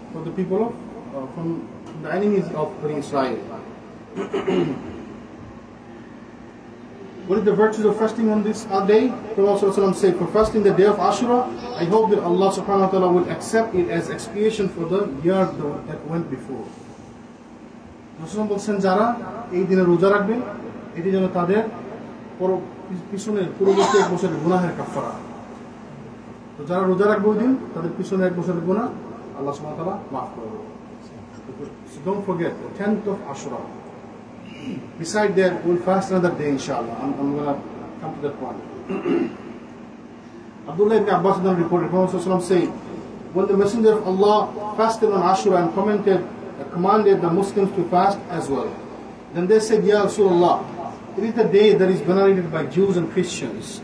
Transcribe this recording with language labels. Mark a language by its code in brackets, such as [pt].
[en] For the people of from the enemies of Israel. What is the virtue of fasting on this day? Prophet ﷺ said, for fasting the day of Ashura, I hope that Allah subhanahu wa ta'ala will accept it as expiation for the year that went before. [bn] রাসূল বলছেন যারা এই দিনে রোজা রাখবে এটি যেন তাদের পিছনে পূর্ববর্তী এক বছরের গুনাহের কাফফারা। তো যারা রোজা রাখবে ওই দিন তাদের পিছনে এক বছরের গুনাহ আল্লাহ সুবহানাহু ওয়া তাআলা মাফ করে দেবেন। [en] So don't forget the 10th of Ashura. Beside that, we'll fast another day, inshallah. I'm going to come to that point. Abdullah ibn Abbas reported, Prophet ﷺ saying, when the Messenger of Allah fasted on Ashura and commanded the Muslims to fast as well, then they said, Ya Rasulullah, it is the day that is venerated by Jews and Christians.